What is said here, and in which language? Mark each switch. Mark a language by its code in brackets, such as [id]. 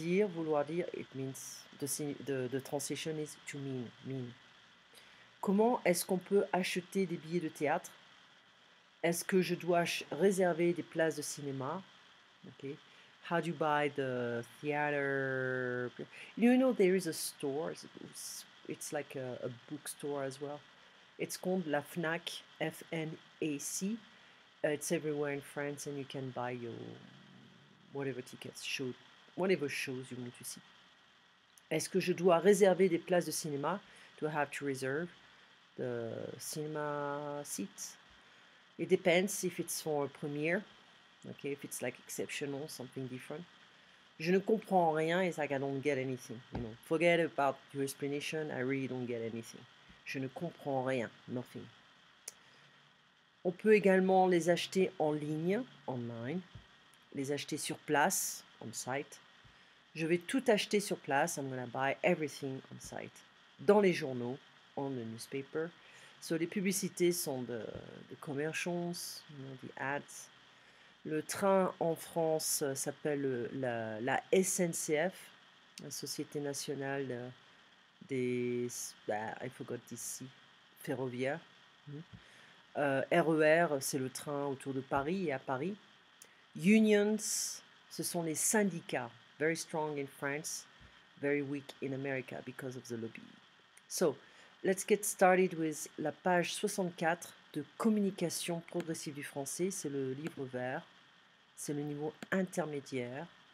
[fr] Vouloir dire, [en] it means the translation is to mean, mean. [fr] Comment est-ce qu'on peut acheter des billets de théâtre? Est-ce que je dois réserver des places de cinéma? [en] Okay. How do you buy the theater? You know, there is a store. It's like a bookstore as well. It's called La Fnac, FNAC. It's everywhere in France, and you can buy your whatever tickets, show, whatever shows you want to see. [fr] Est-ce que je dois réserver des places de cinéma? [en] Do I have to reserve the cinema seats? It depends if it's for a premiere. Okay, if it's like exceptional, something different. [fr] Je ne comprends rien. [en] It's like I don't get anything. You know, forget about your explanation. I really don't get anything. [fr] Je ne comprends rien. [en] Nothing. [fr] On peut également les acheter en ligne, online. Les acheter sur place, [en] on site. [fr] Je vais tout acheter sur place. [en] I'm going to buy everything on site. [fr] Dans les journaux, [en] on the newspaper. So, [fr] les publicités sont de [en] commercials, you know, the ads. [fr] Le train en France s'appelle la SNCF, la Société Nationale des... [en] Bah, I forgot this C, [fr] ferroviaire. RER, c'est le train autour de Paris et à Paris. Unions, ce sont les syndicats. [en] Very strong in France, very weak in America because of the lobby. So, let's get started with [fr] la page 64 de [en] Communication progressive du français. [fr] C'est le livre vert. C'est le niveau intermédiaire.